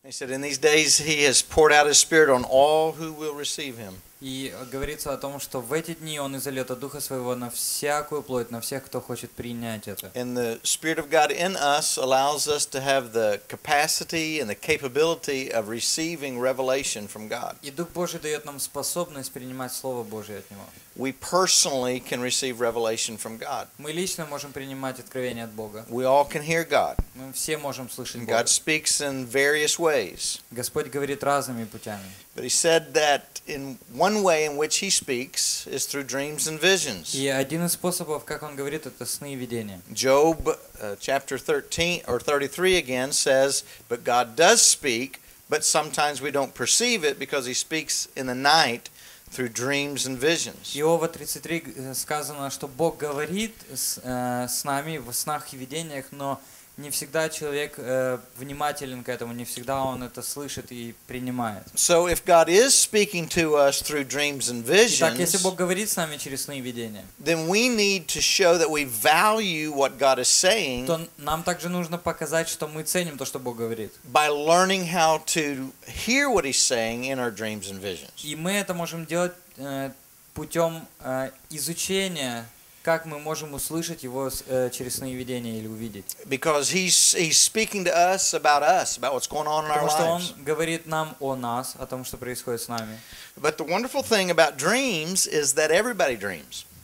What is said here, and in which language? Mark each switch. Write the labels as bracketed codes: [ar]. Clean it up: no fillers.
[en] in these days he has poured out his spirit on all who will receive him. [ru] И говорится о том, что в эти дни он излил Духа своего на всякую плоть, на всех, кто хочет принять это. [en] And the spirit of God in us allows us to have the capacity and the capability of receiving revelation from God. [ru] И Дух Божий даёт нам способность принимать слово Божие от него. [en] We personally can receive revelation from God. [ru] Мы лично можем принимать откровение от Бога. [en] We all can hear God. [ru] Мы все можем слышать Бога. [en] God speaks in various ways. [ru] Господь говорит разными путями. [en] But he said that in one way in which he speaks is through dreams and visions. [ru] И один из способов, как он говорит, это сны и видения. [en] Job chapter 13 or 33 again says, but God does speak, but sometimes we don't perceive it because he speaks in the night through dreams and visions. [ru] Иова 33 сказано, что Бог говорит с нами в снах и видениях, но не всегда человек внимателен к этому, не всегда он это слышит и принимает. [en] So if God is speaking to us through dreams and visions, [ru] так если Бог говорит с нами через сны и видения, [en] then we need to show that we value what God is saying. [ru] То нам также нужно показать, что мы ценим то, что Бог говорит. [en] By learning how to hear what He's saying in our dreams and visions. [ru] И мы это можем делать путем изучения. Как мы можем услышать его через сновидение или увидеть? [en] Because he's speaking to us about us, about what's going on in our lives. [ru] Потому что он говорит нам о нас, о том, что происходит с нами. [en] But the wonderful thing about dreams is that everybody dreams.